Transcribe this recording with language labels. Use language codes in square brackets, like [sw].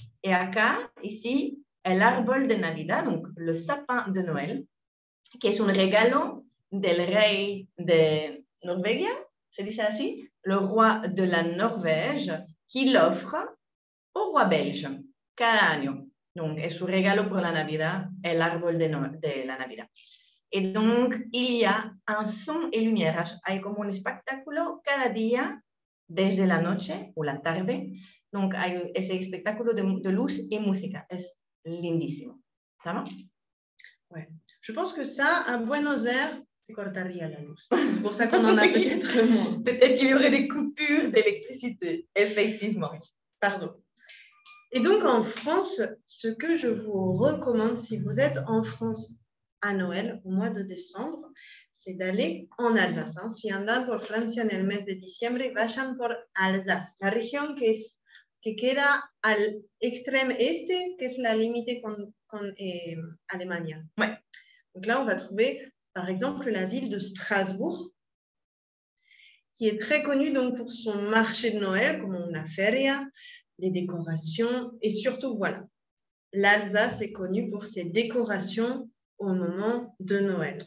[fr] Et [es] acá, [fr] ici, est [es] l'arbol de Navidad, [fr] donc le sapin de Noël, qui est [es] un regalo del rey de Norvegia, [fr] se dit ainsi, le roi de la Norvège, qui l'offre au roi belge, [es] cada año. Donc, es un regalo [fr] pour [es] la Navidad, est l'arbol de la Navidad. [fr] Et donc, il y a un son et lumière. [es] Hay como un espectáculo cada día, desde la noche ou la tarde. Donc, hay ese espectáculo de luz y música. Es lindísimo. ¿Está bien? [fr] Ouais. Je pense que ça, à Buenos Aires, [es] se cortaría la luz. [fr] C'est pour ça qu'on en a peut-être moins. Peut-être qu'il y aurait des coupures d'électricité. Effectivement. Pardon. Et donc, en France, ce que je vous recommande, si vous êtes en France à Noël, au mois de décembre, c'est d'aller en Alsace. Hein. [es] Si andan por Francia en el mes de diciembre, vayan por Alsace, la región que queda al extrême este, que es la límite con Alemania. [fr] Ouais. Donc là, on va trouver, par exemple, la ville de Strasbourg, qui est très connue donc, pour son marché de Noël, comme [es] la feria, [fr] les décorations, et surtout, voilà, l'Alsace est connue pour ses décorations au moment de Noël.